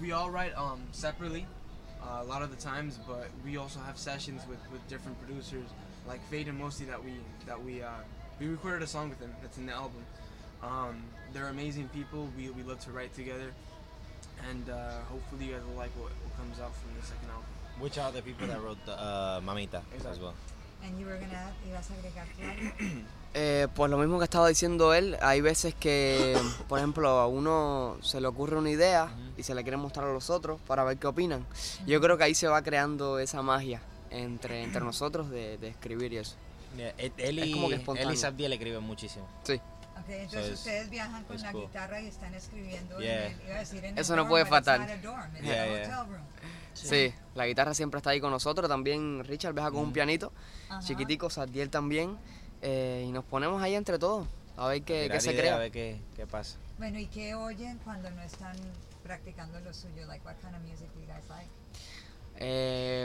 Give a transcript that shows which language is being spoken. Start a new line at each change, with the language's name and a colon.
English: We all write separately a lot of the times, but we also have sessions with different producers, like Fade and Mosty, that we recorded a song with them that's in the album. They're amazing people. We love to write together, and hopefully you guys will like what comes out from the second album. Which are the people that wrote the Mamita as well? And you were gonna
Spanish: ibas a agregar tu Pues lo mismo que estaba diciendo él, hay veces que, por ejemplo, a uno se le ocurre una idea y se la quiere mostrar a los otros para ver qué opinan. Yo creo que ahí se va creando esa magia entre nosotros de escribir y eso. Yeah, él y, es como que espontáneo. Él y Sabdiel escriben muchísimo. Sí. Okay, entonces so ustedes viajan con la guitarra y están escribiendo.
English: Yeah.
Spanish: Eso no puede faltar.
English: Yeah, yeah.
Spanish: Sí, la guitarra siempre está ahí con nosotros. También Richard viaja con un pianito, chiquitico, Sabdiel también. Y nos ponemos ahí entre todos a ver qué se crea, a ver qué pasa. Bueno, ¿y qué oyen cuando no están practicando lo suyo?
English: Like, what kind of music do you guys like?